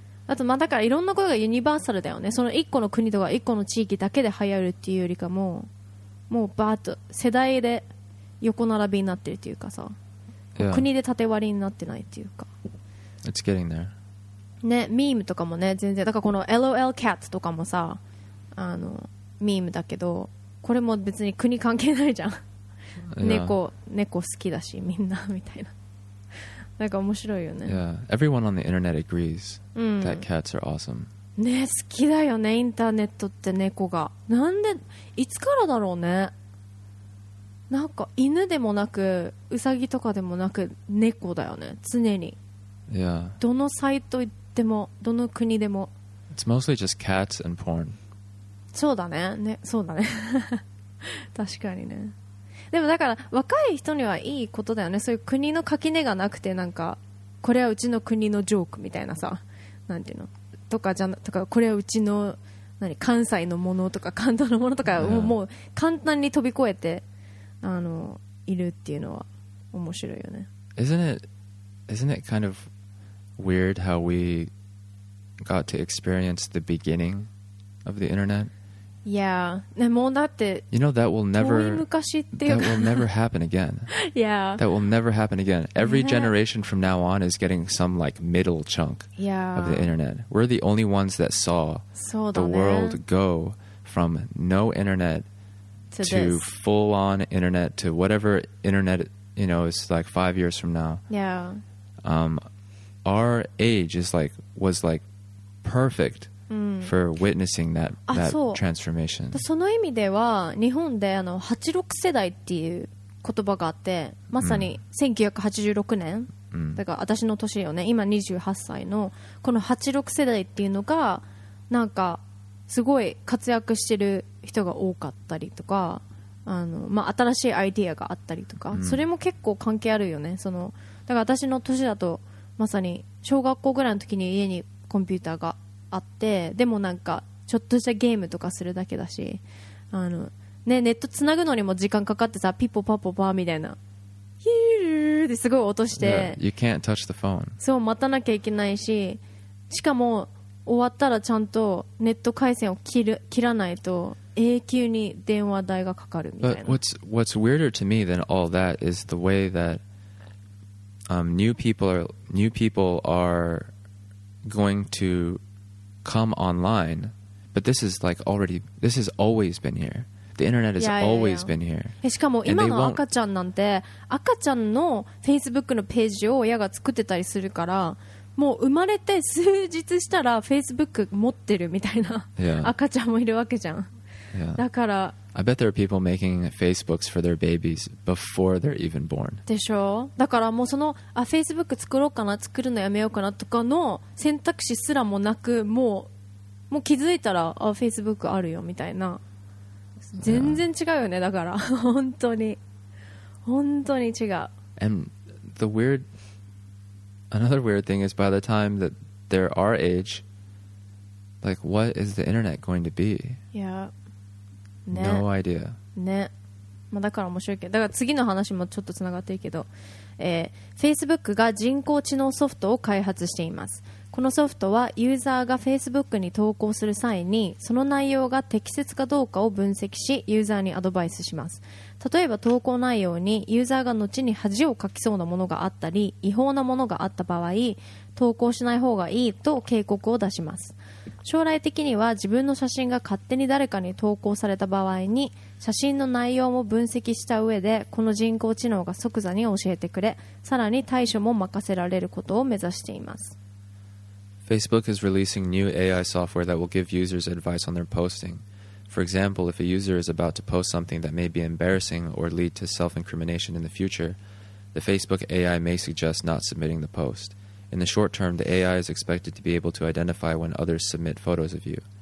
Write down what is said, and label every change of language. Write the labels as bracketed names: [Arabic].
[Japanese] あとまあだからいろんな声がユニバーサルだよね。その一個の国とか一個の地域だけで流行るっていうよりかも、もうバーッと世代で横並びになってるっていうかさ、国で縦割りになってないっていうか。 [English] It's getting there。 [Japanese] ね、ミームとかもね、全然。だからこの LOL Cat とかもさ、あのミームだけど、これも別に国関係ないじゃん。猫好きだしみんなみたいな。なんか面白いよね。 [English] Yeah, everyone on the internet agrees that cats are awesome。 [Japanese] ね、好きだよね、インターネットって猫が。なんでいつからだろうね。なんか犬でもなくウサギとかでもなく猫だよね、常に。 [English] Yeah. [Japanese] どのサイト行ってもどの国でも。 [English] It's mostly just cats and porn。 [Japanese] そうだね、ね、そうだね。確かにね。でもだから若い人にはいいことだよね。そういう国の垣根がなくて、なんかこれはうちの国のジョークみたいなさ、なんていうのとかじゃ、とかこれはうちの何関西のものとか関東のものとか、yeah. もう簡単に飛び越えてあのいるっていうのは面白いよね。 [English] Isn't it kind of weird how we got to experience the beginning of the internet? [Japanese] Yeah. もうだって、 [English] you know, that will never, [Japanese] 遠い昔っていうか、 [English] that will never happen again. Yeah. That will never happen again. Every generation from now on is getting some like middle chunk of the internet. We're the only ones that saw the world go from no internet to full on internet to whatever internet, you know, is like 5 years from now. Yeah. Our age is like was like perfect for witnessing that transformation. [Japanese] その意味では日本であの86世代っていう言葉があって、まさに1986年、だから私の年よね、今28歳のこの86世代っていうのがなんかすごい活躍してる人が多かったりとか、あの、まあ、新しいアイデアがあったりとか、それも結構関係あるよね。そのだから私の年だとまさに小学校ぐらいの時に家にコンピューターがあって、でもなんかちょっとしたゲームとかするだけだし、あの、ね、ネットつなぐのにも時間かかってさ、ピッポパッポパーみたいなヒューってすごい音して、 [English] yeah. You can't touch the phone. [Japanese] そう、待たなきゃいけないし、しかも終わったらちゃんとネット回線を切らないと永久に電話代がかかるみたいな。 [English] But what's weirder to me than all that is the way thatNew people are going to come online, but this is like already. This has always been here. The internet has always been here. [Japanese] しかも今の赤ちゃんなんて、赤ちゃんの Facebook のページを親が作ってたりするから、もう生まれて数日したら Facebook 持ってるみたいな、 [English] yeah. [Japanese] 赤ちゃんもいるわけじゃん。 [English] Yeah. [Japanese] だから、 [English] I bet there are people making Facebooks for their babies before they're even born. [Japanese] でしょ。だからもうその、あ、Facebook 作ろうかな、作るのやめようかなとかの選択肢すらもなく、もう気づいたら、あ、Facebook あるよみたいな。全然違うよね。だから本当に本当に違う。 [English] And the weird, another weird thing is by the time that they're our age, like what is the internet going to be? Yeah. ね、no idea. [Japanese] ね、まあ、だから面白いけど、だから次の話もちょっとつながっていいけど、Facebook が人工知能ソフトを開発しています。このソフトはユーザーが Facebook に投稿する際にその内容が適切かどうかを分析し、ユーザーにアドバイスします。例えば投稿内容にユーザーが後に恥をかきそうなものがあったり、違法なものがあった場合、投稿しない方がいいと警告を出します。将来的には自分の写真が勝手に誰かに投稿された場合に、写真の内容も分析した上でこの人工知能が即座に教えてくれ、さらに対処も任せられることを目指しています。 [English] Facebook is releasing new AI software that will give users advice on their posting. For example, if a user is about to post something that may be embarrassing or lead to self-incrimination in the future, the Facebook AI may suggest not submitting the post. In the short term, the AI is expected to be able to identify when others submit photos of you.